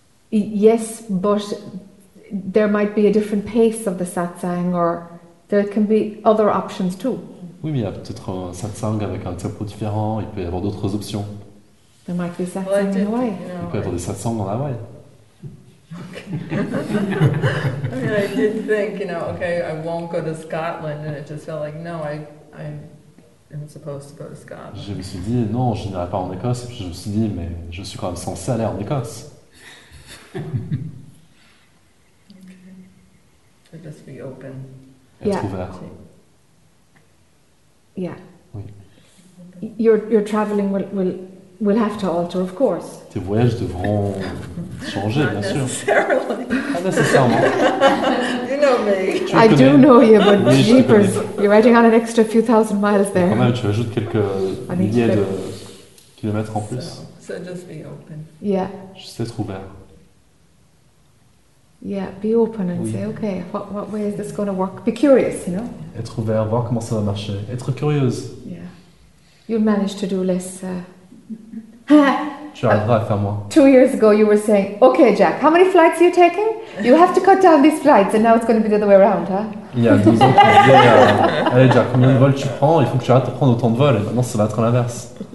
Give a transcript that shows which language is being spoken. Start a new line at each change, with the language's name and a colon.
English: Yes, but there might be a different pace of the satsang, or there can be other options too.
French: Oui, mais il y a peut-être un satsang avec un tempo différent. Il peut y avoir d'autres options.
English: There might be satsang in Hawaii.
French: Il peut y avoir des satsangs en Hawaii.
English: Okay. I mean, I did think, you know, okay, I won't go to Scotland, and it just felt like, no, I am supposed to go to Scotland.
French: Je me suis dit, non, je n'irai pas en Écosse, et puis je me suis dit, mais je suis quand même censé aller en Écosse.
English: Okay. So just be open.
French: Être
English: yeah.
French: Ouvert.
English: Yeah.
French: Oui.
English: Your traveling will have to alter, of course.
French: Tes voyages devront changer,
English: not
French: bien sûr.
English: Necessarily.
French: Pas nécessairement.
English: You know me. I do know you, but
French: oui,
English: jeepers, you're adding on an extra few thousand miles there.
French: Quand même, tu ajoutes quelques milliers de kilomètres en plus.
English: So just be open. Yeah.
French: Juste être ouvert.
English: Yeah, be open and
French: oui.
English: Say, okay, what way is this going to work? Be curious, you know?
French: Être ouvert, voir comment ça va marcher. Être curieuse.
English: Yeah. You'll manage to do less...
French: Tu arriveras à faire moins.
English: 2 years ago, you were saying, okay, Jack, how many flights are you taking? You have to cut down these flights, and now it's going to be the other way around, huh?
French: Il y a 12 ans, tu disais, allez, Jack, combien de vols tu prends? Il faut que tu arrêtes de prendre autant de vols, et maintenant, ça va être l'inverse.